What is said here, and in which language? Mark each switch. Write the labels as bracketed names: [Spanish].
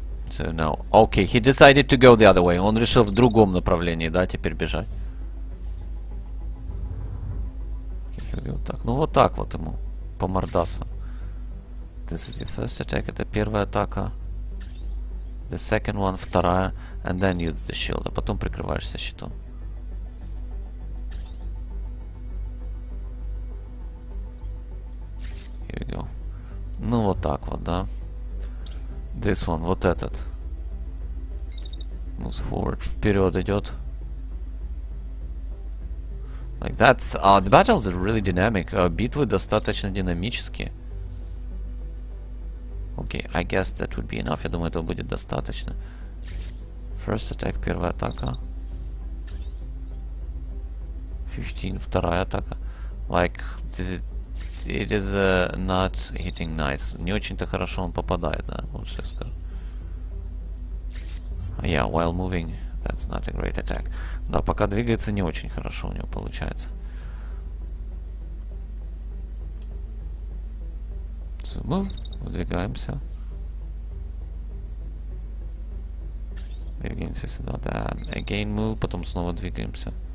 [English] So now, okay, he decided to go the other way. [Russian] Он решил в другом направлении, да, теперь бежать. Вот так, ну вот так вот ему по мордасу. [English] This is the first attack. [Russian] Это первая атака. [English] The second one, [Russian] вторая. [English] And then use the shield. [Russian] А потом прикрываешься щитом. [English] Here we go. [Russian] Ну вот так вот, да. [English] This one, [Russian] вот этот. [English] Moves forward, [Russian] вперед идет. [English] Like that's, the battles are really dynamic. [Russian] Битвы достаточно динамические. [English] Okay, I guess that would be enough. [Russian] Я думаю, этого будет достаточно. [English] First attack, [Russian] первая атака. [English] 15, [Russian] вторая атака. [English] Like, it is not hitting nice. [Russian] Не очень-то хорошо он попадает, да, вот что я скажу. [English] Yeah, while moving, that's not a great attack. [Russian] Да, пока двигается, не очень хорошо у него получается. [English] So move, [Russian] выдвигаемся. Двигаемся сюда, да. [English] Again move, [Russian] потом снова двигаемся.